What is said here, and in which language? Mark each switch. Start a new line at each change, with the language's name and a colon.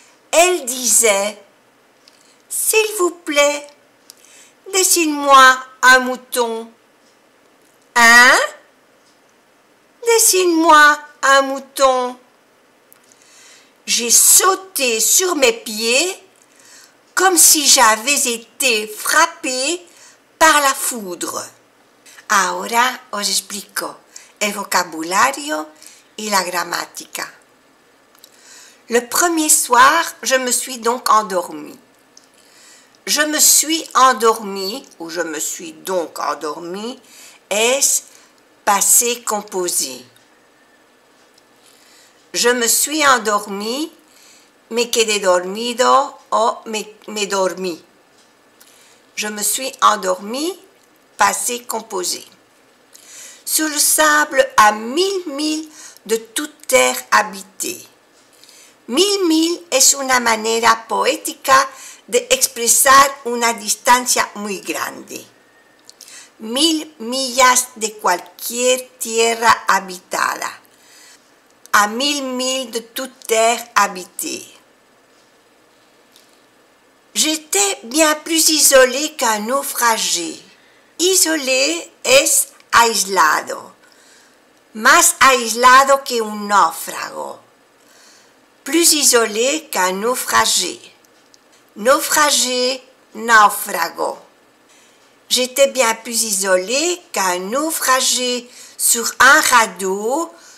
French: Elle disait « S'il vous plaît, dessine-moi un mouton. Hein? Dessine-moi un mouton. » J'ai sauté sur mes pieds comme si j'avais été frappée par la foudre.
Spanish: Ahora os explico el vocabulario y la gramática.
French: Le premier soir, je me suis donc endormie. Je me suis endormie, ou je me suis donc endormie, est passé composé. Je me suis endormie,
Spanish: me quedé dormido, o me dormí.
French: Je me suis endormie, passé composé. Sur le sable à 1000 milles de toute terre habitée.
Spanish: 1000 milles es una manera poética de expresar una distancia muy grande. 1000 millas de cualquier tierra habitada.
French: À 1000 milles de toute terre habitée. J'étais bien plus isolée qu'un naufragé.
Spanish: Isolé es aislado. Más aislado que un náufrago.
French: Plus isolé qu'un naufragé. Naufragé, náufrago. J'étais bien plus isolée qu'un naufragé sur un radeau.